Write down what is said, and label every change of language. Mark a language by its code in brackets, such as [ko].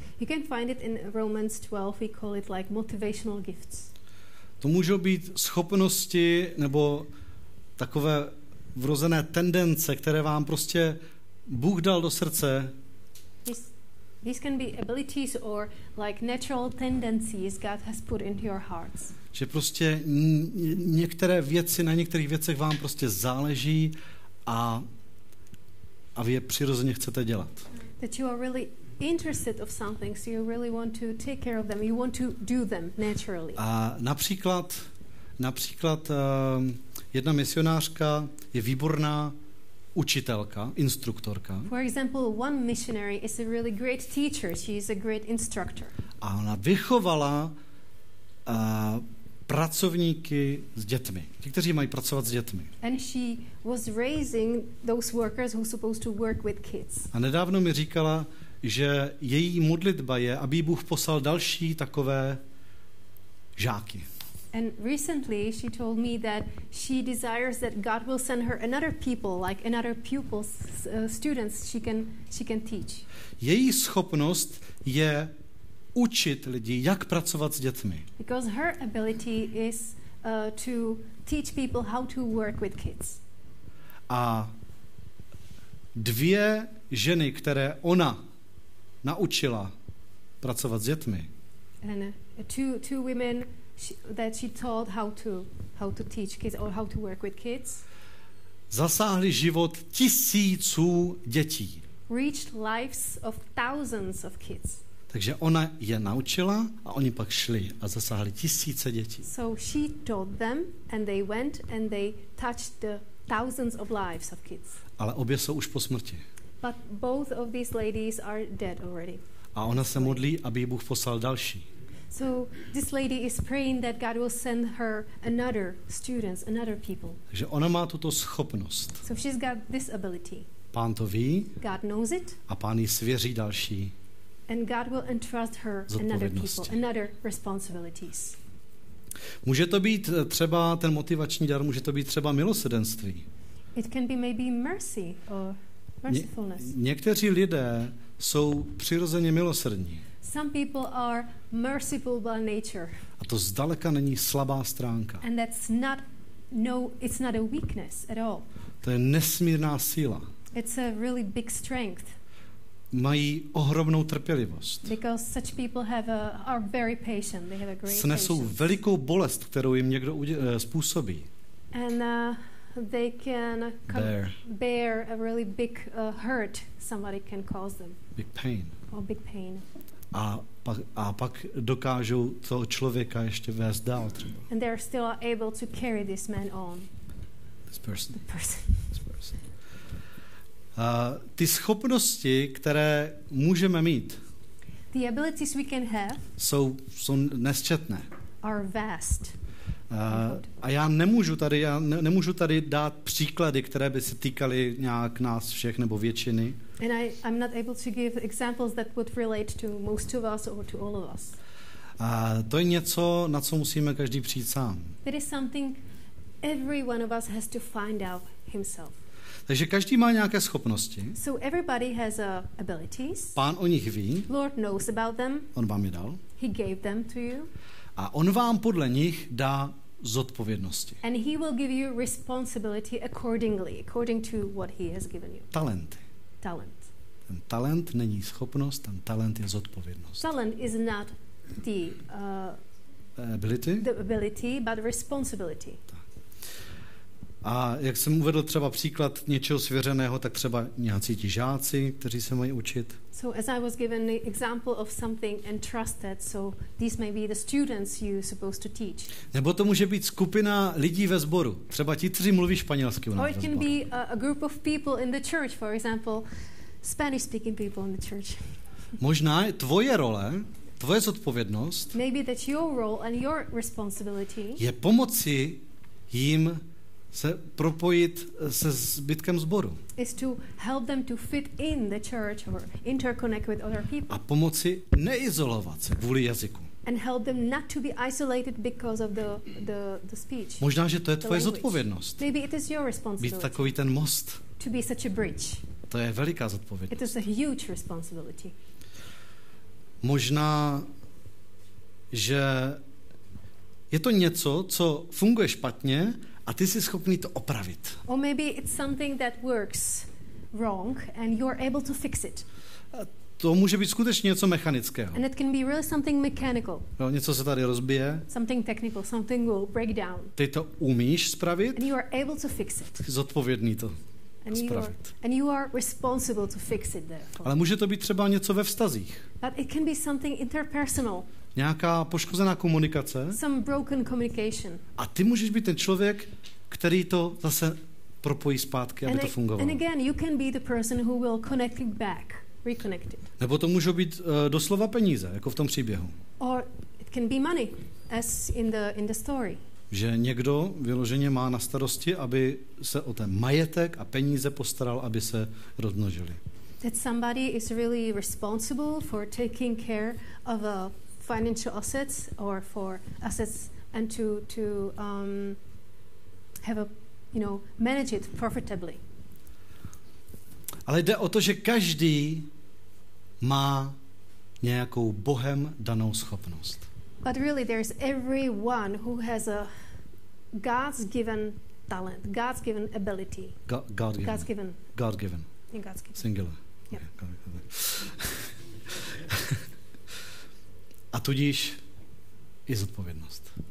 [en] You can find it in Romans 12, we call it like motivational gifts. [cs] To můžou být schopnosti nebo takové vrozené tendence, které vám prostě Bůh dal do srdce. [en] These can be abilities or like natural tendencies God has put into your hearts. [cs] Že prostě některé věci, na některých věcech vám prostě záleží a vy je přirozeně chcete dělat. [en] That you are really interested of something, so you really want to take care of them, you want to do them naturally. [cs] A například jedna misionářka je výborná učitelka, instruktorka. [en] For example, one missionary is a really great teacher. She is a great instructor. [cs] A ona vychovala pracovníky s dětmi. Ti, kteří mají pracovat s dětmi. [en] And she was raising those workers who are supposed to work with kids. [cs] A nedávno mi říkala, že její modlitba je, aby Bůh poslal další takové žáky. [en] And recently she told me that she desires that God will send her another people, like another pupils, students she can teach. [cs] Její schopnost je učit lidi, jak pracovat s dětmi. [en] Because her ability is to teach people how to work with kids. [cs] A dvě ženy, které ona naučila pracovat s dětmi. [en] And two women that she taught how to teach kids or how to work with kids. [cs] Zasáhli život tisíců dětí. [en] Reached lives of thousands of kids. [cs] Takže ona je naučila a oni pak šli a zasáhli tisíce dětí. [en] So she taught them and they went and they touched the thousands of lives of kids. [cs] Ale obě jsou už po smrti. [en] But both of these ladies are dead already. [cs] A ona se modlí, aby jí Bůh poslal další. [en] So this lady is praying that God will send her another students, another people. [cs] Takže ona má tuto schopnost. [en] So she's got this ability. [cs] Pán to ví. [en] God knows it. [cs] A pán jí svěří další. [en] And God will entrust her another people, another responsibilities. [cs] Může to být třeba ten motivační dar, může to být třeba milosrdenství. [en] It can be maybe mercy or mercifulness. [cs] Někteří lidé jsou přirozeně milosrdní. [en] Some people are merciful by nature. [cs] A to zdaleka není slabá stránka. [en] And that's not, no, it's not a weakness at all. [cs] To je nesmírná síla. [en] It's a really big strength. [cs] Mají ohromnou trpělivost. [en] Because such people have are very patient. They have a great patience. [cs] Snesou velikou bolest, kterou jim někdo způsobí. [en] And they can bear a really big hurt somebody can cause them. Big pain. Or big pain. [cs] A pak dokážou toho člověka ještě vést dál třeba. [en] And they're still able to carry this man on. This person. [cs] Ty schopnosti, které můžeme mít, [en] the abilities we can have, [cs] jsou nesčetné. [en] Are vast. [cs] Já nemůžu tady dát příklady, které by se týkaly nějak nás všech nebo většiny. [en] And I'm not able to give examples that would relate to most of us or to all of us. [cs] To je něco, na co musíme každý přijít sám. [en] It is something every one of us has to find out himself. [cs] Takže každý má nějaké schopnosti. [en] So everybody has abilities. [cs] Pán o nich ví. [en] Lord knows about them. [cs] On vám je dal. [en] He gave them to you. [cs] A on vám podle nich dá zodpovědnosti. [en] And he will give you responsibility accordingly, according to what he has given you. [cs] Talenty. [en] Talent. [cs] Ten talent není schopnost, ten talent je zodpovědnost. [en] Talent is not the ability. The ability, but responsibility. [cs] A jak jsem uvedl třeba příklad něčeho svěřeného, tak třeba nějací ti žáci, kteří se mají učit. [en] So as I was given the example of something entrusted, so these may be the students you supposed to teach. [cs] Nebo to může být skupina lidí ve sboru, třeba ti, kteří mluví španělsky u nás ve sboru. [en] Or it can be a group of people in the church, for example, Spanish speaking people in the church. [cs] Možná tvoje role, tvoje zodpovědnost. [en] Maybe that your role and your responsibility. [cs] Je pomoci jim se propojit se zbytkem sboru. [en] Is to help them to fit in the church or interconnect with other people. [cs] A pomoci neizolovat se kvůli jazyku. [en] And help them not to be isolated because of the speech. [cs] Možná, že to je tvoje zodpovědnost. [en] Maybe it is your responsibility. [cs] Být takový ten most. [en] To be such a bridge. [cs] To je veliká zodpovědnost. [en] It is a huge responsibility. [cs] Možná, že je to něco, co funguje špatně, a ty jsi schopný to opravit. [en] Or maybe it's something that works wrong and you're able to fix it. [cs] To může být skutečně něco mechanického. [en] And it can be really something mechanical. [cs] No, něco se tady rozbije. [en] Something technical, something will break down. [cs] Ty to umíš spravit. [en] And you are able to fix it. [cs] Zodpovědný to [en] and [cs] spravit. [en] You are responsible to fix it therefore. [cs] Ale může to být třeba něco ve vztazích. [en] But it can be something interpersonal. [cs] Nějaká poškozená komunikace. [en] Some broken communication. [cs] A ty můžeš být ten člověk, který to zase propojí zpátky, aby to fungovalo. [en] And again, you can be the person who will connect it back, reconnect it. [cs] Nebo to můžou být doslova peníze, jako v tom příběhu. [en] Or it can be money, as in the story. [cs] Že někdo vyloženě má na starosti, aby se o ten majetek a peníze postaral, aby se rozmnožili. [en] That somebody is really responsible for taking care of a financial assets or for assets and to have a, you know, manage it profitably. [cs] Ale jde o to, že každý má nějakou Bohem danou schopnost. [en] But really there's everyone who has a God's given talent, God's given ability. God's given. Singular. [cs] A tudíž i zodpovědnost.